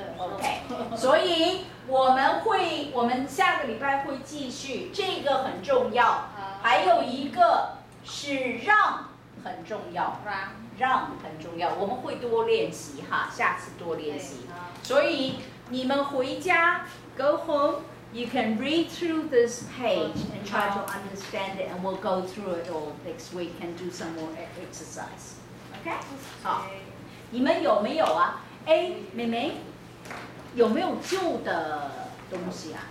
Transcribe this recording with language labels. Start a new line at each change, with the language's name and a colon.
Chinese: 个 OK， 所以我们会，我们下个礼拜会继续，这个很重要。还有一个是让很重要，让很重要，我们会多练习哈，下次多练习。所以你们回家
English: go home。 You can read through this page and try to understand it, and we'll go through it all next week and do some more exercise. Okay?
Chinese: 好，你们有没有啊 ？A 妹妹，有没有旧的东西啊？